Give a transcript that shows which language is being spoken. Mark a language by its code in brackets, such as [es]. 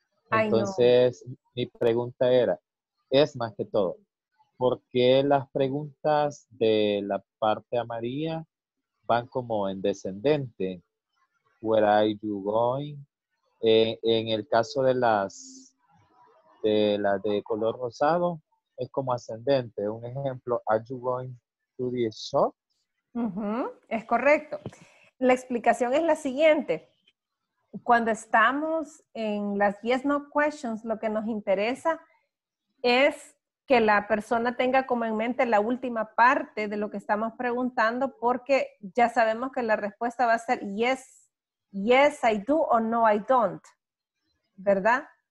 [es] Entonces, mi pregunta era. Es más que todo, ¿por qué las preguntas de la parte amarilla van como en descendente? [en] Where are you going? [es] En el caso de las de color rosado, es como ascendente. Un ejemplo, [en] are you going to the shop? [es] Uh-huh. Es correcto. La explicación es la siguiente. Cuando estamos en las yes, no questions, lo que nos interesa es que la persona tenga como en mente la última parte de lo que estamos preguntando porque ya sabemos que la respuesta va a ser [en] yes, yes I do [es] o [en] no I don't, [es] ¿verdad?